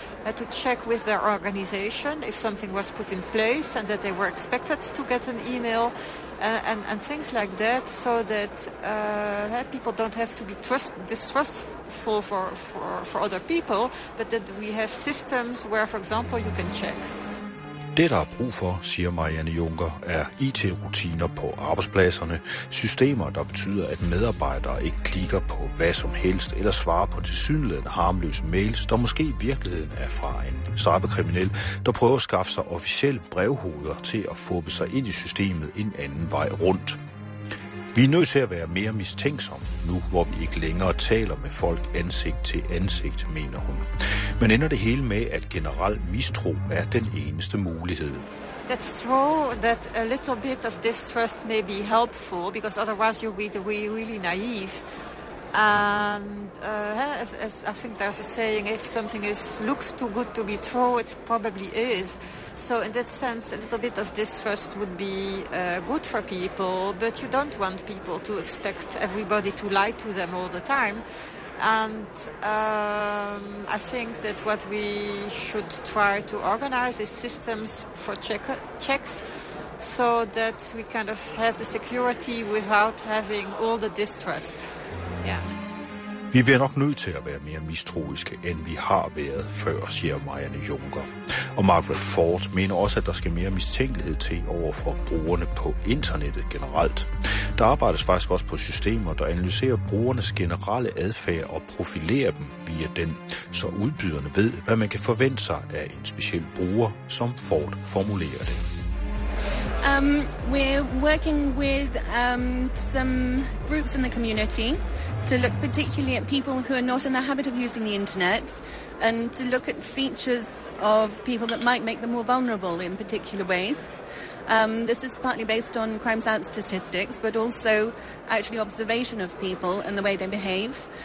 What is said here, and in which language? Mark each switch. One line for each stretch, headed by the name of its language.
English: To check with their organization if something was put in place and that they were expected to get an email and things like that, so that people don't have to be distrustful for other people, but that we have systems where, for example, you can check.
Danish: Det, der er brug for, siger Marianne Juncker, er IT-rutiner på arbejdspladserne. Systemer, der betyder, at medarbejdere ikke klikker på hvad som helst eller svarer på tilsyneladende harmløse mails, der måske i virkeligheden er fra en cyberkriminel, der prøver at skaffe sig officielle brevhoveder til at fuppe sig ind i systemet en anden vej rundt. Vi er nødt til at være mere mistænksomme nu, hvor vi ikke længere taler med folk ansigt til ansigt, mener hun. Men ender det hele med, at generel mistro er den eneste mulighed.
English: That's true, that a little bit of distrust may be helpful, because otherwise you'll be really naive. And as I think there's a saying, if something looks too good to be true, it probably is. So in that sense, a little bit of distrust would be good for people, but you don't want people to expect everybody to lie to them all the time. And I think that what we should try to organize is systems for checks, so that we kind of have the security without having all the distrust. Yeah.
Danish: Vi bliver nok nødt til at være mere mistroiske, end vi har været før, siger Marianne Juncker. Og Margaret Ford mener også, at der skal mere mistænkelighed til overfor brugerne på internettet generelt. Der arbejdes faktisk også på systemer, der analyserer brugernes generelle adfærd og profilerer dem via den, så udbyderne ved, hvad man kan forvente sig af en speciel bruger, som Ford formulerer det.
English: We're working with some groups in the community to look particularly at people who are not in the habit of using the internet and to look at features of people that might make them more vulnerable in particular ways. This is partly based on crimes out statistics, but also actually observation of people and the way they behave.